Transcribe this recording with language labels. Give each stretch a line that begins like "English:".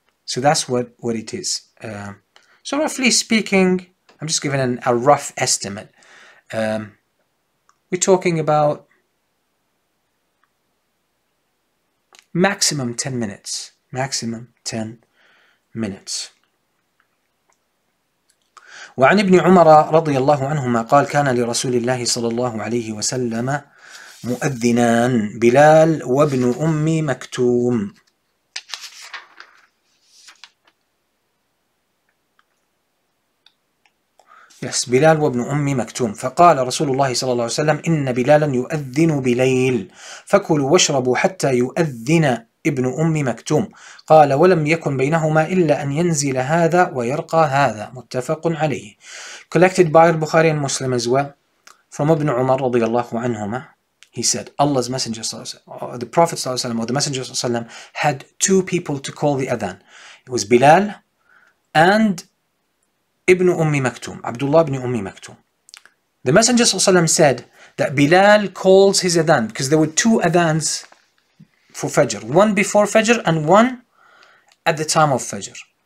English: So that's what it is. So roughly speaking, I'm just giving a rough estimate. We're talking about maximum 10 minutes. Maximum 10 minutes.
Arabic: وعن ابن عمر رضي الله عنهما قال كان لرسول الله صلى الله عليه وسلم مؤذنان بلال وابن أمي مكتوم. Yes, بلال وابن أمي مكتوم. فقال رسول الله صلى الله عليه وسلم إن بلالا يؤذن بليل فكلوا واشربوا حتى يؤذن ابن أمي مكتوم. قال ولم يكن بينهما إلا أن ينزل هذا ويرقى هذا. متفق عليه.
English: Collected by البخاري المسلم as well from ابن عمر رضي الله عنهما. He said, Allah's Messenger, the Prophet or the Messenger had two people to call the Adhan. It was Bilal and Ibn Ummi Maktum, Abdullah ibn Ummi Maktum. The Messenger said that Bilal calls his Adhan because there were two Adhans for Fajr, one before Fajr and one at the time of Fajr.